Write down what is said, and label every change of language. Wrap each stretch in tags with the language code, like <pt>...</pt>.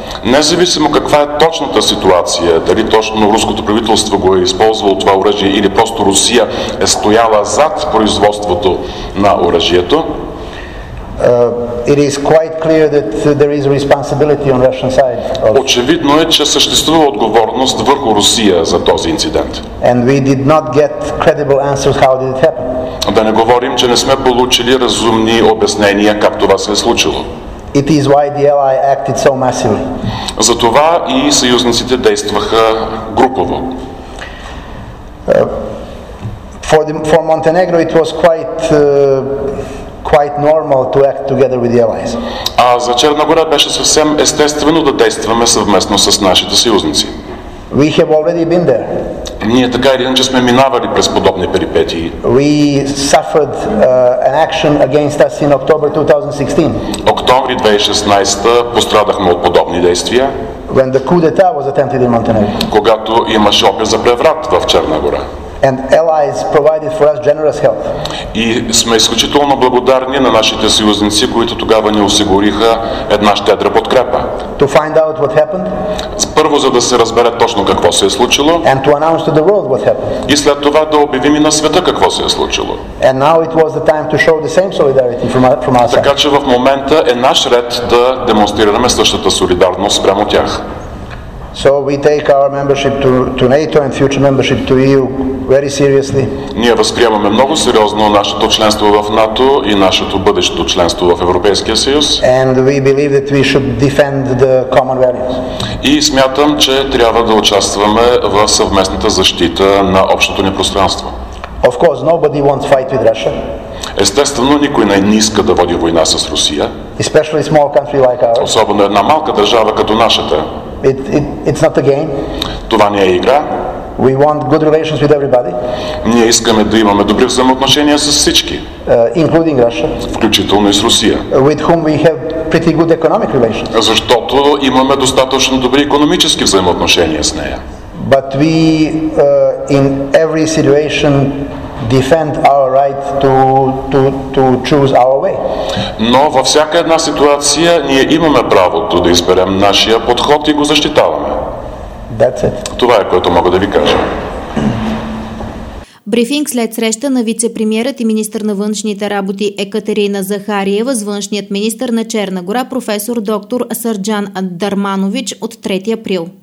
<bg>Независимо каква е точната ситуация, дали точно руското правителство го е използвало това оръжие или просто Русия е стояла зад производството на оръжието.</bg> <en>It is quite clear that there is responsibility on Russian side.</en> <bg>Очевидно е, че съществува отговорност върху Русия за този инцидент.</bg> <en>And we did not get credible answers how did it happen.</en> <bg>Да не говорим, че не сме получили разумни обяснения как това се е случило.</bg> <en>It is why the ally acted so massively.</en> <bg>Затова и съюзниците действаха групово.</bg> <en>For Montenegro it was quite normal to act together with the allies.</en> <bg>А за Черна гора беше съвсем естествено да действаме съвместно с нашите съюзници.</bg> <en>We have already been there.</en> <bg>Ние така или иначе сме минавали през подобни перипетии.</bg> <en>We suffered an action against us in October 2016.</en> <bg>Октомври 2016 пострадахме от подобни действия.</bg> <en>When the coup d'etat was attempted in Montenegro.</en> <bg>Когато имаше опит за преврат в Черна гора.</bg> <en>And allies provided for us generous help.</en> <bg>И сме изключително благодарни на нашите съюзници, които тогава ни осигуриха една щедра подкрепа.</bg> <en>To find out what happened.</en> <bg>Първо, за да се разбере точно какво се е случило.</bg> <en>And to announce to the world what happened.</en> <bg>И след това да обявим и на света какво се е случило.</bg> <en>And now it was the time to show the same solidarity from our side.</en> <bg>Така че в момента е наш ред да демонстрираме същата солидарност спрямо тях.</bg> <en>So we take our membership to NATO and future membership to EU very seriously.</en> <bg>Ние възприемаме много сериозно нашето членство в НАТО и нашето бъдещо членство в Европейския съюз.</bg> <en>And we believe that we should defend the common values.</en> <bg>И смятам, че трябва да участваме в съвместната защита на общото ни пространство.</bg> <en>Of course, nobody wants to fight with Russia.</en> <bg>Естествено, никой не иска да води война с Русия.</bg> <en>Especially a small country like ours.</en> <bg>Особено една малка държава като нашата.</bg> <en>It's not a game.</en> <bg>Това не е игра.</bg> <en>We want good relations with everybody.</en> <bg>Ние искаме да имаме добри взаимоотношения с всички.</bg> <en>Including Russia.</en> <bg>Включително и с Русия.</bg> <en>With whom we have pretty good economic relations.</en> <bg>Защото имаме достатъчно добри икономически взаимоотношения с нея.</bg> <en>But we in every situation defend our right to choose our way.</en> <bg>Но във всяка една ситуация ние имаме правото да изберем нашия подход и го защитаваме.</bg> <en>That's it.</en> <bg>Това е, което мога да ви кажа. Брифинг след среща на вицепремиерът и министър на външните работи Екатерина Захариева с външният министър на Черна гора професор доктор Сърджан Дарманович от 3 април.</bg>